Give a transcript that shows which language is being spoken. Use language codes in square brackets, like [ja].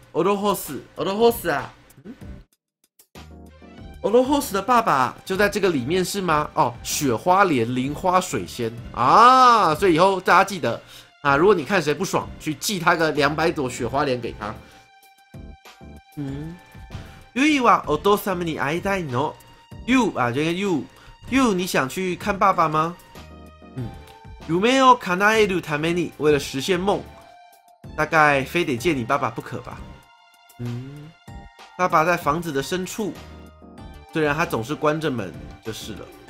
[ja] オロホス，オロホス啊。 [zh] オロホス的爸爸就在这个里面是吗？哦，雪花莲灵花水仙啊，所以以后大家记得啊，如果你看谁不爽，去寄他个200朵雪花莲给他。 [ja] 嗯，ユイはお父様に会いたいの。 [zh] ユ啊，这个ユ，ユ你想去看爸爸吗？嗯， [ja] 夢を叶えるために， [zh] 为了实现梦，大概非得见你爸爸不可吧？嗯，爸爸在房子的深处。虽然他总是关着门就是了。